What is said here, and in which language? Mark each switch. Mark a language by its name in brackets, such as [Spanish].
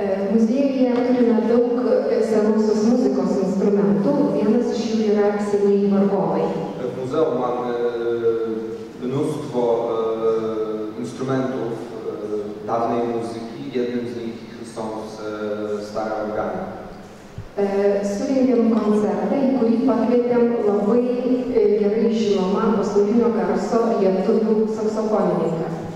[Lithuanian] Muziejuje turime daug senosios muzikos instrumentų, vienas iš jų yra senieji vargonai. [Polish] W muzeum mamy mnóstwo instrumentów dawnej muzyki, jednym z nich są stare organy. [Lithuanian] Surengėm koncertą, į kurį pakvietėm labai gerai žinomą pasaulinio garso lietuvių saksofonininką.